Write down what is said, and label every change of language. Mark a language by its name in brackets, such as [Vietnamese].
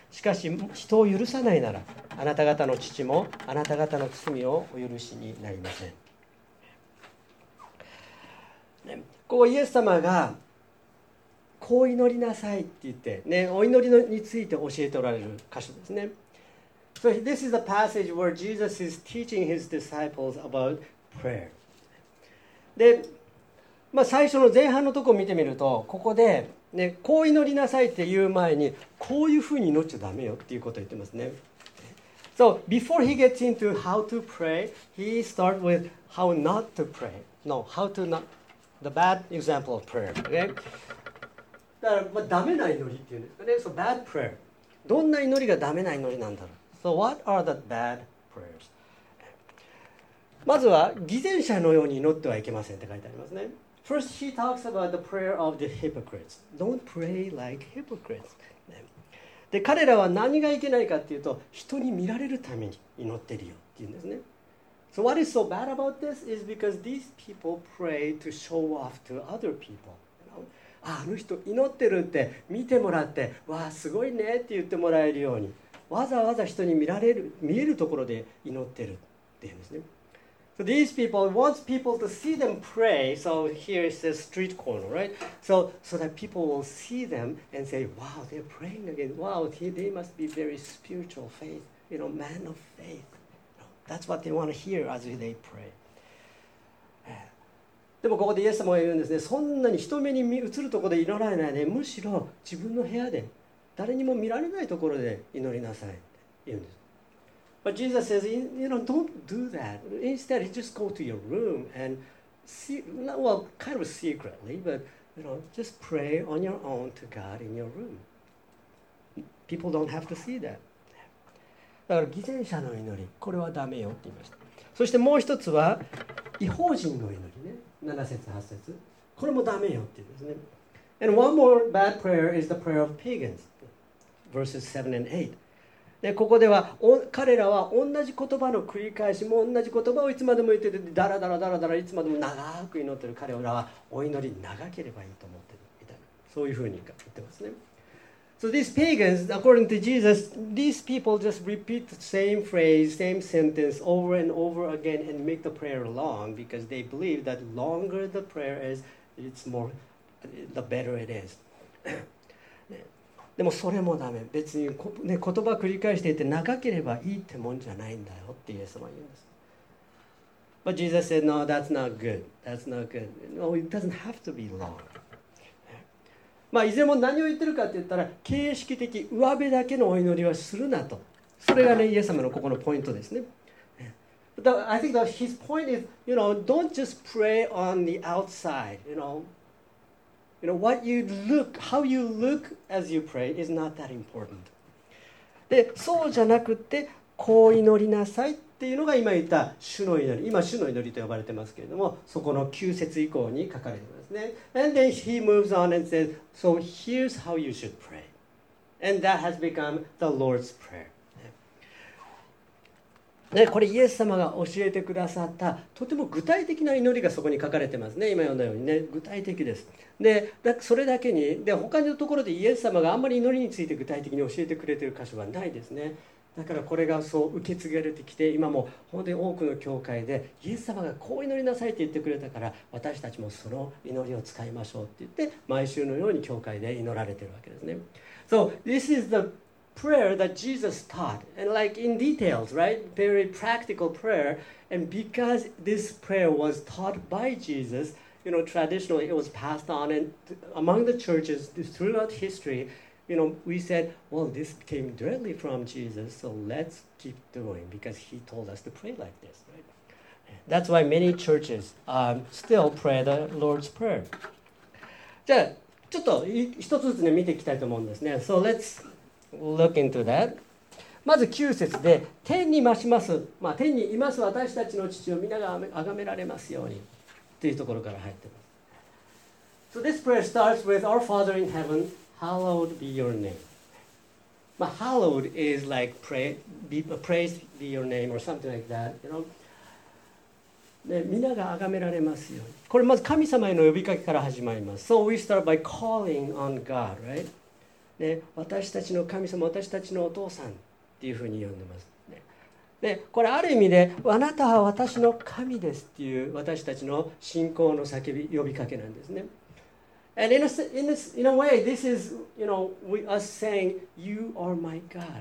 [Japanese] しかし人を許さないなら、あなた方の父もあなた方の罪をお許しになりません。ね、こうイエス様がこう祈りなさいって言って、ね、お祈りについて教えておられる箇所ですね。 [English] So this is a passage where Jesus is teaching his disciples about prayer. [Japanese] で、まあ、最初の前半のところを見てみると、ここで、ね、こう祈りなさいって言う前に、こういうふうに祈っちゃダメよっていうことを言ってますね。 [English] So before he gets into how to pray, he starts with how not to pray. No, how to not, the bad example of prayer. [Japanese] Okay? だから、まあ、ダメな祈りっていうんですかね。 [English] So bad prayer. [Japanese] どんな祈りがダメな祈りなんだろう。 [English] So what are the bad prayers? [Japanese] まずは偽善者のように祈ってはいけませんって書いてありますね。 [English] First, he talks about the prayer of the hypocrites. Don't pray like hypocrites. [Japanese] で、彼らは何がいけないかっていうと、人に見られるために祈ってるよっていうんですね。 [English] So what is so bad about this is because these people pray to show off to other people. [Japanese] あの人祈ってるって見てもらって、わあすごいねって言ってもらえるように、わざわざ人に見られる、見えるところで祈ってるっていうんですね。 [English] So these people want people to see them pray. So here is the street corner, right? So that people will see them and say, wow, they're praying again. Wow, they must be very spiritual faith, you know, man of faith. That's what they want to hear as they pray. [Japanese] でもここでイエス様が言うんですね。そんなに人目に映るところで祈られないで、むしろ自分の部屋で、誰にも見られないところで祈りなさいって言うんです。 [English] But Jesus says, you know, don't do that. Instead, just go to your room and see, well, kind of secretly, but, you know, just pray on your own to God in your room. People don't have to see that. [Japanese] だから、偽善者の祈り、これはダメよって言いました。そしてもう一つは、異邦人の祈りね。7節、8節。これもダメよって言うんですね。 [English] And one more bad prayer is the prayer of pagans. Verses 7 and 8. [Japanese] でここでは彼らは同じ言葉の繰り返しも同じ言葉をいつまでも言っててダラダラダラダラいつまでも長く祈ってる彼らはお祈り長ければいいと思ってるみたいなそういうふうに言ってますね。 [English] So these pagans, according to Jesus, these people just repeat the same phrase, same sentence over and over again and make the prayer long because they believe that longer the prayer is, it's more, the better it is. [Japanese] でもそれもダメ。別に、ね、言葉繰り返していて長ければいいってもんじゃないんだよってイエス様は言うんです。 [English] But Jesus said, no, that's not good. That's not good. No, it doesn't have to be long. [Japanese] まあ、いずれも何を言ってるかって言ったら、形式的上辺だけのお祈りはするなと。それがね、イエス様のここのポイントですね。 [English] But I think that his point is, you know, don't just pray on the outside, you know. You know, what you look, how you look as you pray is not that important. [Japanese] で、そうじゃなくて、こう祈りなさいっていうのが今言った主の祈り。今、主の祈りと呼ばれてますけれども、そこの9節以降に書かれてますね。 [English] And then he moves on and says, so here's how you should pray. And that has become the Lord's prayer. [Japanese] ね、これイエス様が教えてくださったとても具体的な祈りがそこに書かれてますね。今読んだようにね、具体的です。で、だそれだけに、で他のところでイエス様があんまり祈りについて具体的に教えてくれてる箇所はないですね。だからこれがそう受け継がれてきて、今も本当に多くの教会でイエス様がこう祈りなさいって言ってくれたから私たちもその祈りを使いましょうって言って毎週のように教会で祈られてるわけですね。 [English] So this is theprayer that Jesus taught and like in details right very practical prayer and because this prayer was taught by Jesus you know traditionally it was passed on and among the churches throughout history you know we said well this came directly from Jesus so let's keep doing because he told us to pray like this right that's why many churches still pray the Lord's Prayer [Japanese] じゃあちょっと一つずつね見ていきたいと思うんですね [English] so let'sLook into that. [Japanese] まず9節で天に増します、まあ、天にいます私たちの父を皆が崇められますようにというところから入っています。 [English] So this prayer starts with Our Father in heaven, hallowed be your name. まあ、hallowed is like pray, be, praised be your name or something like that. You know? [Japanese] で皆が崇められますように。これまず神様への呼びかけから始まります。 [English] So we start by calling on God, right? [Japanese] ね、私たちの神様、私たちのお父さんっていうふうに呼んでます、ね、でこれある意味であなたは私の神ですっていう私たちの信仰の叫び呼びかけなんですね。 [English] And in a way this is you know we are saying you are my God.